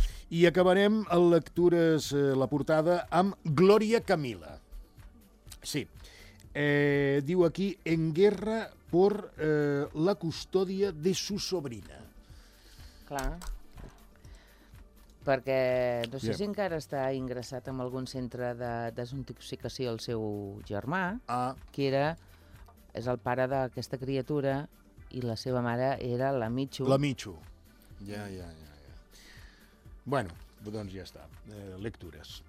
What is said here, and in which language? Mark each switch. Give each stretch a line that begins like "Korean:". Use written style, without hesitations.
Catalan: I acabarem en lectures, la portada, amb Glòria Camila. Sí. Diu aquí,
Spanish: en guerra por la custòdia de su sobrina.
Catalan: Clar. Perquè no sé si encara està ingressat en algun centre de desintoxicació el seu germà, que és el pare d'aquesta criatura, i la seva mare era la Michu. La Michu. Ja, ja, ja. Bueno, doncs ja està. Lectures.